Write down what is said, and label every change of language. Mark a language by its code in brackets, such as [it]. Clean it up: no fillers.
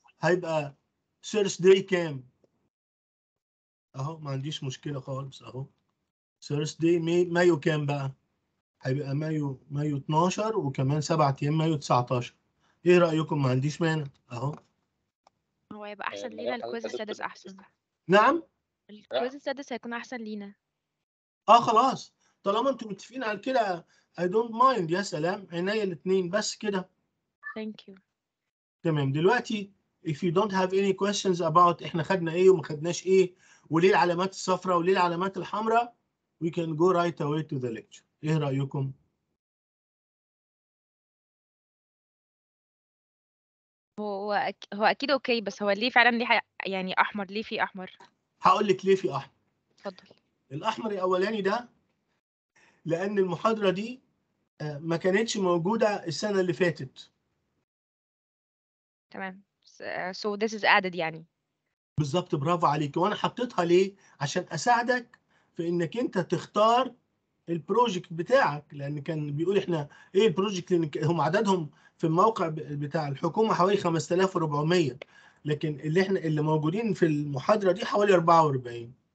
[ar] هيبقى سيرش داي كام؟ اهو ما عنديش مشكله خالص، اهو سيرش داي مايو كام بقى؟ هيبقى مايو 12 وكمان 7 ايام مايو 19. ايه رايكم؟ ما عنديش مانع اهو. هو يبقى احسن لينا الكويز السادس احسن. نعم، الكويز السادس هيكون احسن لينا. خلاص طالما انتم متفقين على كده [en] I don't mind. [ar] يا سلام، عينيا الاثنين بس كده. [en] Thank you. [ar] تمام. دلوقتي [en] if you don't have any questions about [ar] احنا خدنا ايه وما خدناش ايه، وليه العلامات الصفراء وليه العلامات الحمراء، [en] we can go right away to the lecture. [ar] ايه رايكم؟ هو اكيد اوكي، بس هو ليه فعلا ليه يعني احمر؟ ليه في احمر؟ هقول لك ليه في احمر. اتفضل. الاحمر الاولاني ده لان المحاضره دي ما كانتش موجوده السنه اللي فاتت. تمام. [en] So this is added [ar] يعني. بالظبط، برافو عليك. وانا حطيتها ليه؟ عشان اساعدك في انك انت تختار البروجكت بتاعك، لان كان بيقول احنا ايه البروجكت، لان هم عددهم في الموقع بتاع الحكومه حوالي 5400، لكن اللي احنا اللي موجودين في المحاضرة دي حوالي 44.